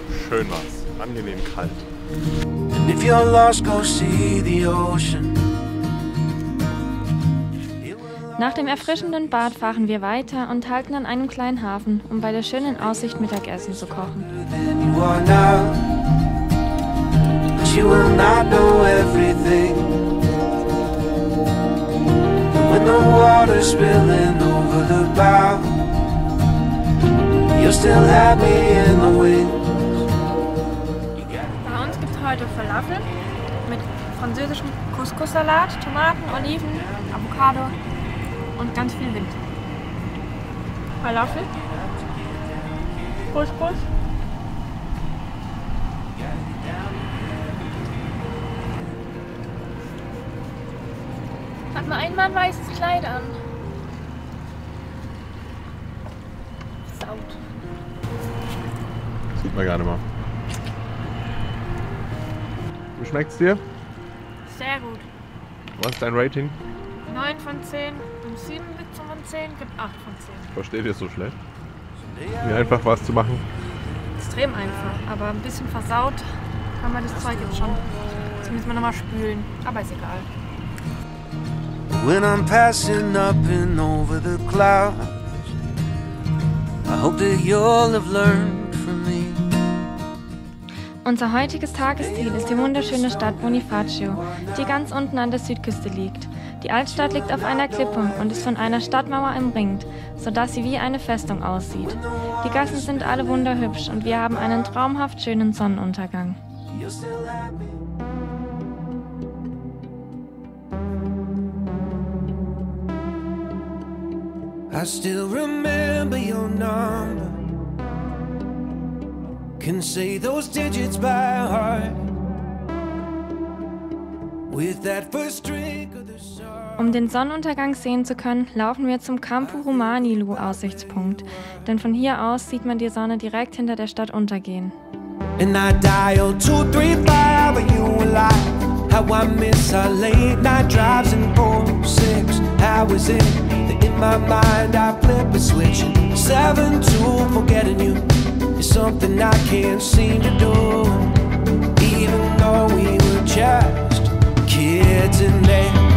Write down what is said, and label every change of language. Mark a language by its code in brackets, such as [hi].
[de] Schön war's, angenehm kalt. [en] And if you're lost, go see the ocean. [de] Nach dem erfrischenden Bad fahren wir weiter und halten an einem kleinen Hafen, um bei der schönen Aussicht Mittagessen zu kochen. [en] But you will not know everything. When the water's spilling over the bow, you're still happy in the wind. [de] Bei uns gibt's heute Falafel mit französischem Couscous-Salat, Tomaten, Oliven, Avocado und ganz viel Wind. Falafel, Couscous. Hat mal ein Mann weißes Kleid an. Saut. Sieht man gar nicht mal. Wie schmeckt's dir? Sehr gut. Was ist dein Rating? 9 von 10. 7 von 10 gibt 8 von 10. Versteht ihr es so schlecht? Wie einfach war es zu machen? Extrem einfach, aber ein bisschen versaut kann man das Zeug jetzt schon. Jetzt müssen wir nochmal spülen, aber ist egal. [en] When I'm passing up and over the clouds, I hope that you'll have learned from me. [de] Unser heutiges Tagesziel ist die wunderschöne Stadt Bonifacio, die ganz unten an der Südküste liegt. Die Altstadt liegt auf einer Klippe und ist von einer Stadtmauer umringt, sodass sie wie eine Festung aussieht. Die Gassen sind alle wunderhübsch und wir haben einen traumhaft schönen Sonnenuntergang. [en] I still remember your number. Can say those digits by heart. With that first drink of the song. [de] Um den Sonnenuntergang sehen zu können, laufen wir zum Campu Romanilu Aussichtspunkt. Denn von hier aus sieht man die Sonne direkt hinter der Stadt untergehen. [en] And I dial 235, but you lie. How I miss our late night drives in 4-6. How is it that in my mind I flip a switch? 7-2, forgetting you is something I can't seem to do. Even though we were just kids in there.